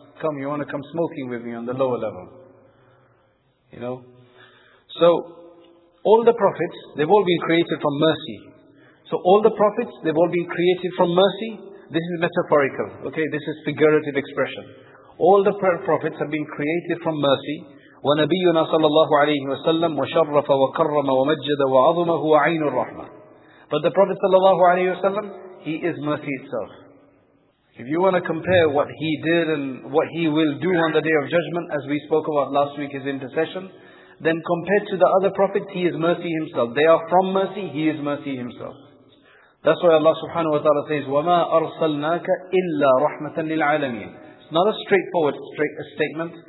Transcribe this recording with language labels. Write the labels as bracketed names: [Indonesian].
[English] Come, you want to come smoking with me on the lower level. You know? So, all the prophets, they've all been created from mercy. So all the prophets, they've all been created from mercy. This is metaphorical, okay? This is figurative expression. All the prophets have been created from mercy. [Arabic] وَنَبِيُّنَا صَلَّى اللَّهُ عَلَيْهِ وَسَلَّمْ وَشَرَّفَ وَكَرَّمَ وَمَجَّدَ وَعَظُمَ هُوَ عَيْنُ الرَّحْمَةِ [English] But the Prophet sallallahu alayhi wa sallam, he is mercy itself. If you want to compare what he did and what he will do on the Day of Judgment, as we spoke about last week, his intercession, then compared to the other prophets, he is mercy himself. They are from mercy, he is mercy himself. That's why Allah subhanahu wa ta'ala says, [Arabic] وَمَا أَرْسَلْنَاكَ إِلَّا رَحْمَةً لِلْعَالَمِينَ [English] It's not a straightforward statement.